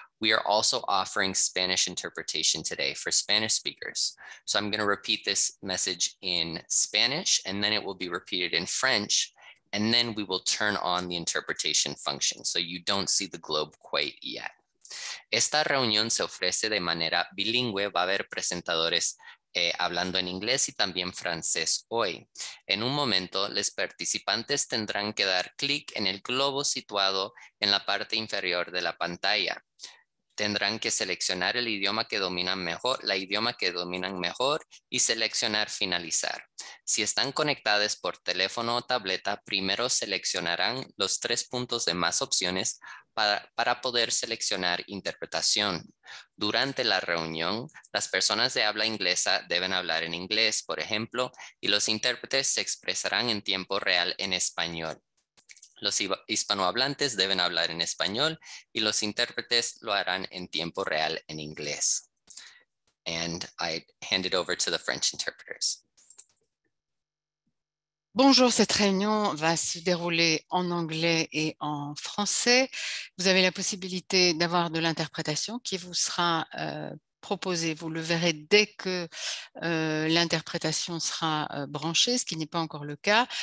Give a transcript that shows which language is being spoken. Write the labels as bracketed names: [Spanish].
[English] We are also offering Spanish interpretation today for Spanish speakers. So I'm going to repeat this message in Spanish and then it will be repeated in French. And then we will turn on the interpretation function. So you don't see the globe quite yet. [Spanish] Esta reunión se ofrece de manera bilingüe. Va a haber presentadores hablando en inglés y también francés hoy. En un momento, los participantes tendrán que dar clic en el globo situado en la parte inferior de la pantalla. Tendrán que seleccionar el idioma que dominan mejor, la idioma que dominan mejor y seleccionar finalizar. Si están conectadas por teléfono o tableta, primero seleccionarán los tres puntos de más opciones para poder seleccionar interpretación. Durante la reunión, las personas de habla inglesa deben hablar en inglés, por ejemplo, y los intérpretes se expresarán en tiempo real en español. Los hispanohablantes deben hablar en español y los intérpretes lo harán en tiempo real en inglés. [English] And I hand it over to the French interpreters. [French] Bonjour, cette réunion va se dérouler en anglais et en français. Vous avez la possibilité d'avoir de l'interprétation qui vous sera proposée. Vous le verrez dès que l'interprétation sera branchée, ce qui n'est pas encore le cas.